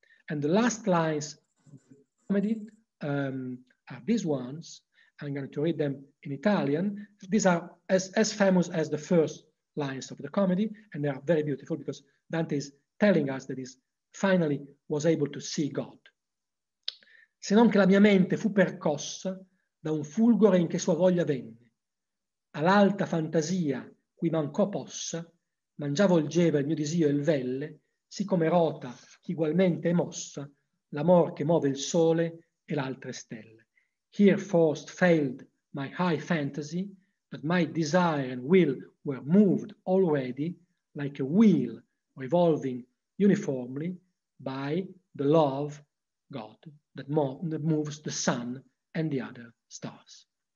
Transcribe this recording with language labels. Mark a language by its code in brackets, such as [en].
[en] And the last lines of the comedy are these ones. I'm going to read them in Italian. These are as famous as the first lines of the comedy, and they are very beautiful because Dante is telling us that he finally was able to see God. [it] Se non che la mia mente fu percossa da un fulgore in che sua voglia venne. All'alta fantasia cui mancò possa, mangia volgeva il mio disio il velle, siccome rota igualmente è mossa, l'amor che muove il sole e l'altre stelle. [en] Here forced failed my high fantasy, but my desire and will were moved already, like a wheel revolving uniformly by the love God that moves the sun and the other stars.